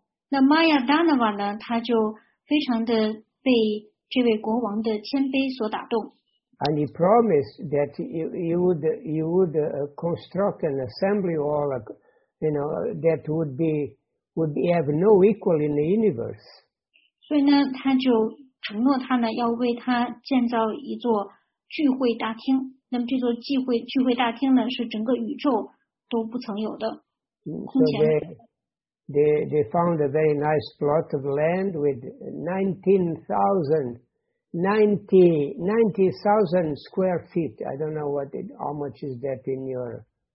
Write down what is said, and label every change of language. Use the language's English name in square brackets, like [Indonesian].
[Chinese] 那 Maya Dhanava 呢，他就非常的被这位国王的谦卑所打动。 [English] And he promised that you would construct an assembly hall, you know, that would have no equal in the universe. [Chinese] 所以呢，他就承诺他呢，要为他建造一座聚会大厅。那么这座聚会大厅呢，是整个宇宙都不曾有的空前。 [English] They found a very nice plot of land with 90,000 square feet. I don't know how much is that in your